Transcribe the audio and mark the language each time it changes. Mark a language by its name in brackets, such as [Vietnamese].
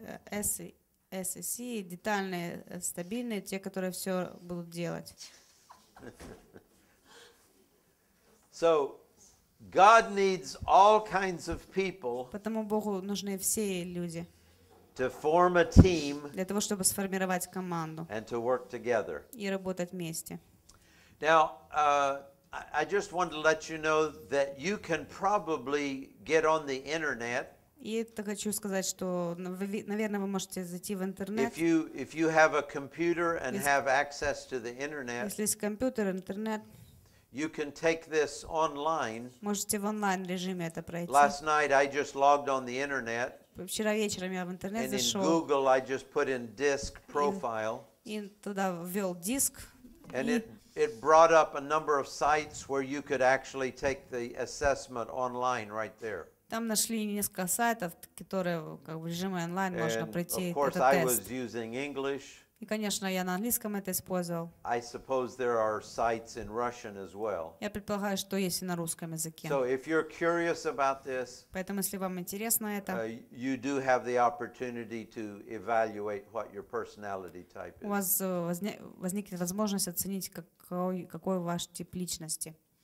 [Russian] SSC, детальные, стабильные, те, которые все будут делать. [English] So, God needs all kinds of people. [Russian] Потому Богу нужны все люди. [English] To form a team. [Russian] Для того, чтобы сформировать команду. [English] And to work together. [Russian] И работать вместе. [English] Now, I just want to let you know that you can probably get on the internet. [Russian] И это хочу сказать, что, наверное, вы можете зайти в интернет. [English] If you have a computer and have access to the internet, [Russian] если есть компьютер, интернет, [English] you can take this online. [Russian] Можете в онлайн-режиме это пройти. [English] Last night I just logged on the internet. [Russian] Вчера вечером я в интернет зашел. [English] And in Google I just put in disk profile. [Russian] И туда ввел диск. [English] And it brought up a number of sites where you could actually take the assessment online right there. [Russian] Там нашли несколько сайтов, которые как в режиме онлайн можно пройти этот тест. [English] I was using English. [Russian] И, конечно, я на английском это использовал. [English] I suppose there are sites in Russian as well. [Russian] Я предполагаю, что есть и на русском языке. [English] So if you're curious about this, [Russian] поэтому, если вам интересно это, [English] you do have the opportunity to evaluate what your personality type is. [Russian] У вас возникнет возможность оценить, какой ваш тип личности.